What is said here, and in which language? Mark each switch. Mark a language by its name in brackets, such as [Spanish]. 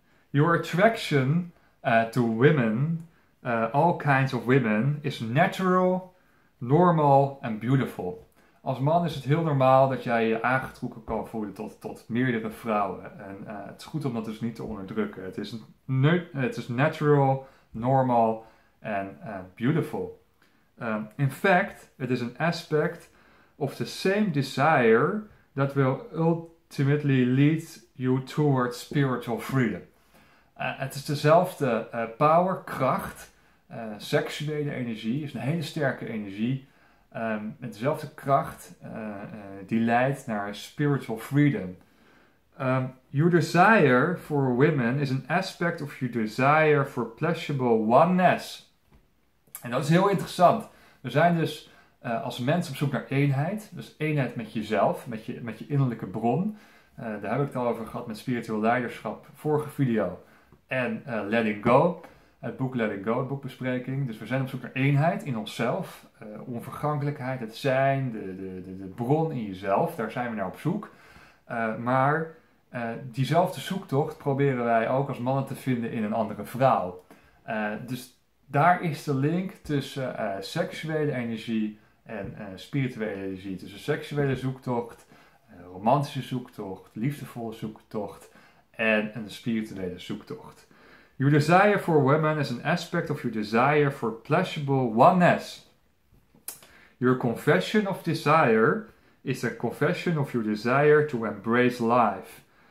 [English] Your attraction to women, all kinds of women, is natural, normal and beautiful. [Dutch] Als man is het heel normaal dat jij je aangetrokken kan voelen tot meerdere vrouwen. En het is goed om dat dus niet te onderdrukken. Het is [English] natural, normal [Dutch] en [English] beautiful. In fact, it is an aspect of the same desire that will ultimately lead you towards spiritual freedom. [Dutch] Het is dezelfde power, kracht, seksuele energie. Het is een hele sterke energie. Met dezelfde kracht die leidt naar [English] spiritual freedom. Your desire for women is an aspect of your desire for pleasurable oneness. [Dutch] En dat is heel interessant. We zijn dus als mens op zoek naar eenheid. Dus eenheid met jezelf, met je innerlijke bron. Daar heb ik het al over gehad met spiritueel leiderschap, vorige video. En Letting Go. Het boek Letting Go, het boekbespreking. Dus we zijn op zoek naar eenheid in onszelf. Onvergankelijkheid, het zijn, de bron in jezelf. Daar zijn we naar op zoek. Maar diezelfde zoektocht proberen wij ook als mannen te vinden in een andere vrouw. Dus daar is de link tussen seksuele energie en spirituele energie. Tussen seksuele zoektocht, romantische zoektocht, liefdevolle zoektocht en een spirituele zoektocht. [English] Your desire for women is an aspect of your desire for pleasurable oneness. Your confession of desire is a confession of your desire to embrace life.